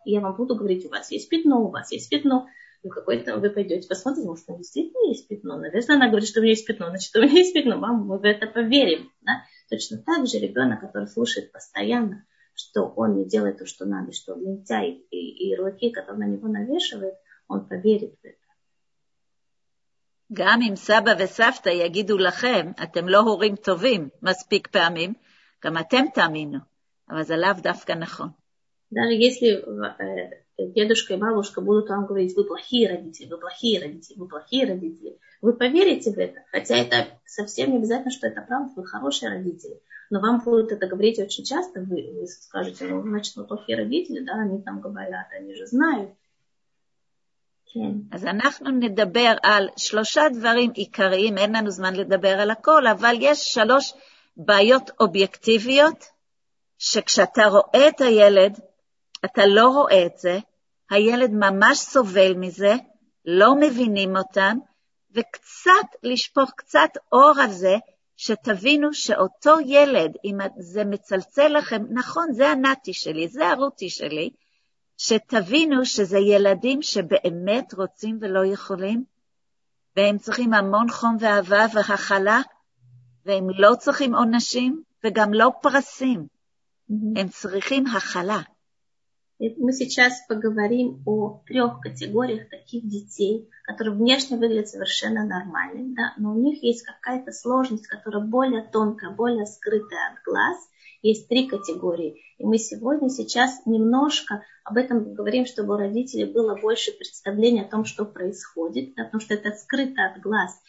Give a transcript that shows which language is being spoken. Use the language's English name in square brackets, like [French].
[Russian] И я вам буду говорить, у вас есть пятно. Ну, какой-то вы пойдете посмотрите, может, у меня действительно есть пятно. Наверное, она говорит, что у меня есть пятно. Значит, у меня есть пятно. Мам, мы в это поверим. Да? Точно так же ребенок, который слушает постоянно, что он не делает то, что надо, что он лентяй и ярлыки, которые на него навешивают, он поверит в это. [Hebrew] גם אם סבא וסבתא יגידו לכם, אתם לא הורים טובים מספיק פעמים, גם אתם תאמינו. אבל זה לאו דווקא נכון. [Russian] Даже если дедушка и бабушка будут вам говорить: вы плохие родители, вы плохие родители, вы плохие родители. Вы поверите в это, хотя это совсем не обязательно, что это правда, вы хорошие родители. Но вам будут это говорить очень часто, вы скажете: ну, значит, вы плохие родители, да, они там говорят, они же знают. [Hebrew] אז אנחנו נדבר על שלושה דברים עיקריים, אין לנו זמן לדבר על הכל, אבל יש שלוש בעיות אובייקטיביות, שכשאתה רואה את הילד, אתה לא רואה את זה, הילד ממש סובל מזה, לא מבינים אותם, וקצת לשפוך קצת אור על זה, שתבינו שאותו ילד, אם זה מצלצל לכם, נכון, זה הנתי שלי, זה הרותי שלי, שתבינו שזה ילדים שבאמת רוצים ולא יכולים, והם צריכים המון חום ואהבה והכלה, והם לא צריכים עונשים וגם לא פרסים. הם צריכים הכלה. [Russian] Мы сейчас поговорим о трех категориях таких детей, которые внешне выглядят совершенно нормально, да, но у них есть какая-то сложность, которая более тонкая, более скрытая от глаз. Есть три категории. И мы сегодня сейчас немножко об этом говорим, чтобы у родителей было больше представления о том, что происходит, да, потому что это скрыто от глаз.